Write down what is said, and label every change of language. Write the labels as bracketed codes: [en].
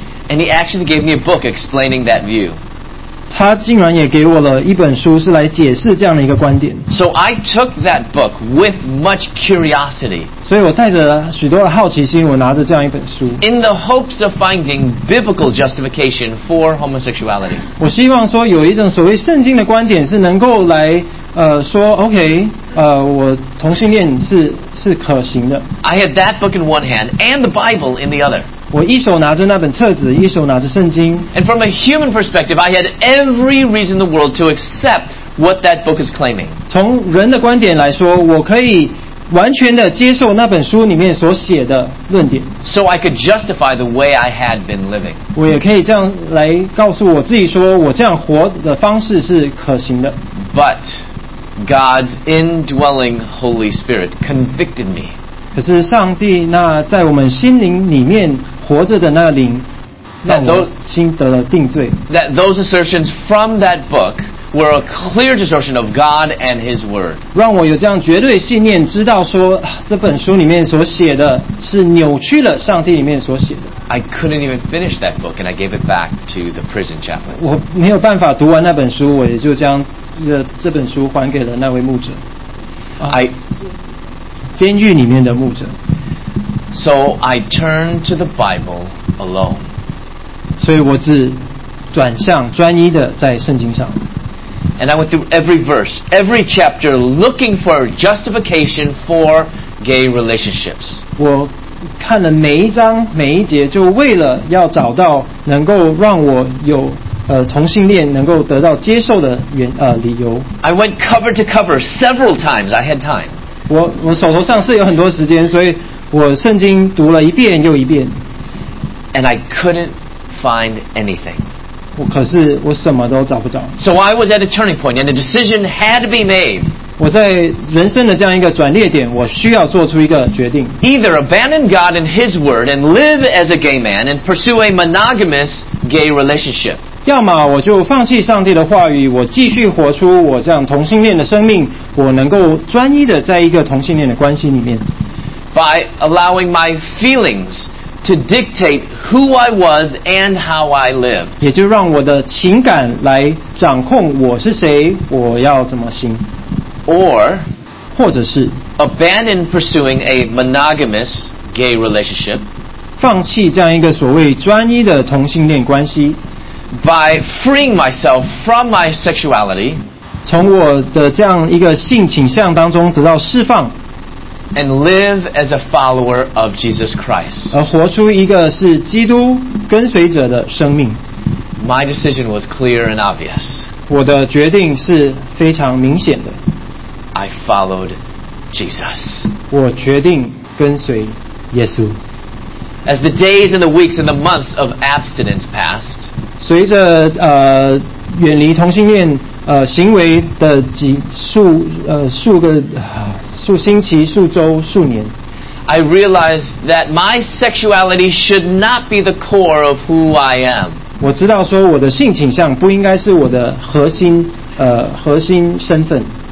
[en] And he actually gave me a book explaining that view. [zh] 他竟然也给我了一本书，是来解释这样的一个观点。 [en] So I took that book with much curiosity. [zh] 所以我带着许多的好奇心，我拿着这样一本书。 [en] In the hopes of finding biblical justification for homosexuality. [zh] 我希望说有一种所谓圣经的观点是能够来。说 OK， 我同性恋是可行的。 [en] I had that book in one hand and the Bible in the other. [zh] 我一手拿着那本册子，一手拿着圣经。 [en] And from a human perspective, I had every reason in the world to accept what that book is claiming. [zh] 从人的观点来说，我可以完全的接受那本书里面所写的论点。 [en] So I could justify the way I had been living. [zh] 我也可以这样来告诉我自己说，我这样活的方式是可行的。 [en] But God's indwelling Holy Spirit convicted me. [zh] 可是上帝那在我们心灵里面活着的那灵，让我心得了定罪。 [en] That those assertions from that book were a clear distortion of God and His Word. [zh] 让我有这样绝对信念，知道说这本书里面所写的是扭曲了上帝里面所写的。 [en] I couldn't even finish that book, and I gave it back to the prison chaplain. [zh] 我没有办法读完那本书，我也就将。这本书还给了那位牧者，监狱里面的牧者。 [en] So I turned to the Bible alone. [zh] 所以我只转向专一的在圣经上。 [en] And I went through every verse, every chapter, looking for justification for gay relationships. [zh] 我看了每一章每一节，就为了要找到能够让我有。同性恋能够得到接受的理由。 [en] I went cover to cover several times. I had time. [zh] 我手头上是有很多时间，所以我圣经读了一遍又一遍。 [en] And I couldn't find anything. [zh] 可是我什么都找不着。 [en] So I was at a turning point, and a decision had to be made. [zh] 我在人生的这样一个转捩点，我需要做出一个决定。 [en] Either abandon God and His Word and live as a gay man and pursue a monogamous gay relationship. [zh] 要么我就放弃上帝的话语，我继续活出我这样同性恋的生命，我能够专一的在一个同性恋的关系里面。 [en] By allowing my feelings to dictate who I was and how I lived. [zh] 也就让我的情感来掌控我是谁，我要怎么行。 [en] Or, [zh] 或者是 [en] abandon pursuing a monogamous gay relationship. [zh] 放弃这样一个所谓专一的同性恋关系。 [en] By freeing myself from my sexuality, [zh] 从我的这样一个性倾向当中得到释放 [en] ，and live as a follower of Jesus Christ, [zh] 而活出一个是基督跟随者的生命。 [en] My decision was clear and obvious. [zh] 我的决定是非常明显的。 [en] I followed Jesus. [zh] 我决定跟随耶稣。 [en] As the days and the weeks and the months of abstinence passed. [zh] 随着远离同性恋行为的几数数个数星期数周数年。 [en] I realized that my sexuality should not be the core of who I am. [zh] 我知道说我的性倾向不应该是我的核心身份。